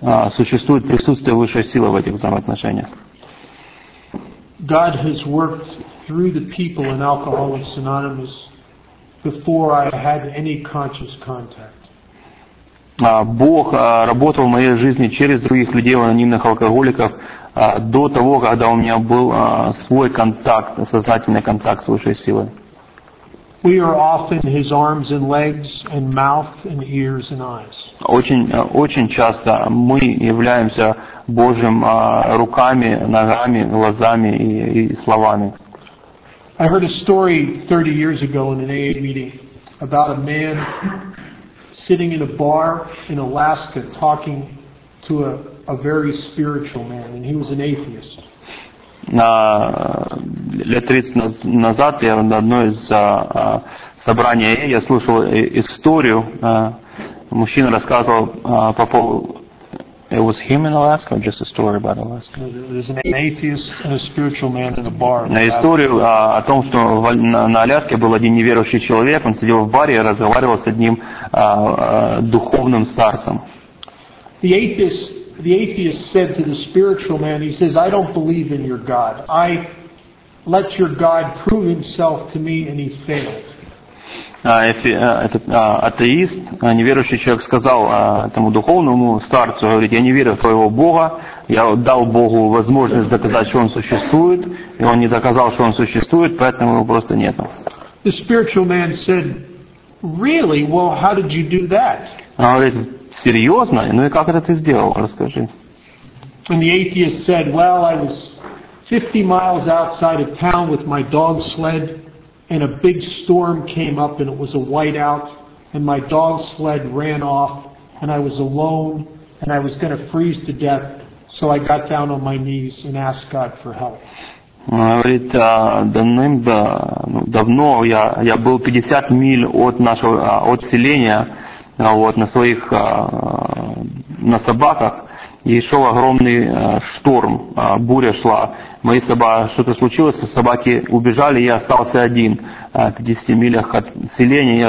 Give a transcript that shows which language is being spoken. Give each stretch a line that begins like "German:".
Russian: Существует присутствие высшей силы в этих взаимоотношениях.
English: God has worked through the people in Alcoholics Anonymous before I had any conscious contact.
Russian: Бог работал в моей жизни через других людей, в анонимных алкоголиков, до того, когда у меня был свой контакт, сознательный контакт с высшей силой.
English: We are often his arms and legs and mouth and ears and eyes.
Russian: Очень часто мы являемся Божьим руками, ногами, глазами и словами.
English: I heard a story 30 years ago in an AA meeting about a man sitting in a bar in Alaska talking to a very spiritual man, and he was an atheist.
Russian: Лет 30 назад я на одной из собраний АА я слушал историю. Мужчина рассказывал по поводу.
English: It was him in Alaska, or just a story about Alaska? There's an atheist and a spiritual man in a bar.
Russian: На историю о том, что на Аляске был один неверующий человек, он сидел в баре и разговаривал с одним духовным старцем.
English: The atheist said to the spiritual man, he says, "I don't believe in your God. I let your God prove himself to me, and he failed."
Russian: Атеист, неверующий человек сказал этому духовному старцу, говорит, я не верю в твоего Бога, я дал Богу возможность доказать, что он существует, и он не доказал, что он существует, поэтому его просто нету.
English: The spiritual man said, really? Well, how did you do that?
Russian: Он говорит, серьезно? Ну и как это ты сделал? Расскажи.
English: And the atheist said, well, I was 50 miles outside of town with my dog sled, and a big storm came up, and it was a whiteout, and my dog sled ran off, and I was alone, and I was going to freeze to death, so I got down on my knees and asked God for help.
Russian: Говорит, давно я был 50 миль от нашего от селения, вот на своих на собаках. И шел огромный шторм, буря шла. Мои собаки, что-то случилось, собаки убежали, я остался один в 50 милях от селения.